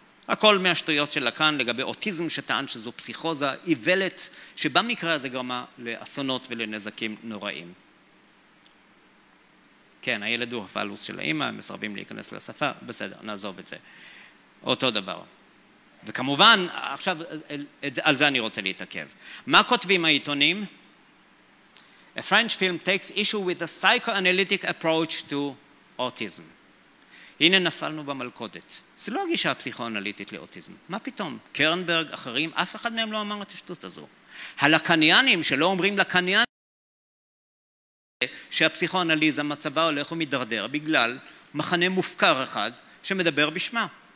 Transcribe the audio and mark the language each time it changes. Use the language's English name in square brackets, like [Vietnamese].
[Hebrew] הכל מהשטויות של לקאן לגבי אוטיזם שטען שזו פסיכוזה עיוולת שבמקרה הזה גרמה לאסונות ולנזקים נוראים. כן, הילד הוא הפלוס של האמא, הם מסרבים להיכנס לשפה, בסדר, נעזוב את זה. אותו דבר. וכמובן, עכשיו, על זה אני רוצה להתעכב. מה כותבים העיתונים? [English] A French film takes issue with a psychoanalytic approach to autism. [Hebrew] הנה נפלנו במלכודת. זה לא הגישה הפסיכואנליטית לאוטיזם. מה פתאום? קרנברג, אחרים, אף אחד מהם לא אמר את השטות הזו. הלקניאנים שלא אומרים לקניאנים שהפסיכואנליזה מצבה הולך ומדרדר בגלל מחנה מופקר אחד שמדבר בשמה.